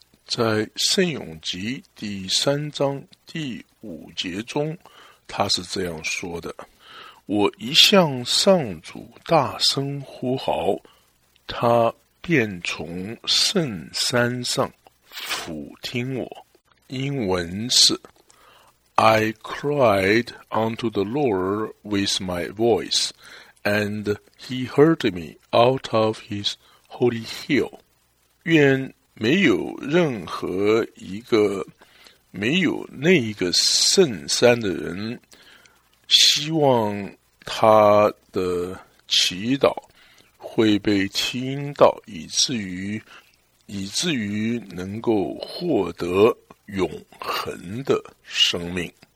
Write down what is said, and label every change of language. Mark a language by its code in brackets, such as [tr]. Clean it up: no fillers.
[zh] 在圣咏集第三章第五节中，他是这样说的，我一向上主大声呼号，他便从圣山上俯听我。英文是 [en] I cried unto the Lord with my voice, and he heard me out of his holy hill. [zh] 愿没有任何一个没有那一个圣山的人，希望他的祈祷会被听到，以至于能够获得永恒的生命。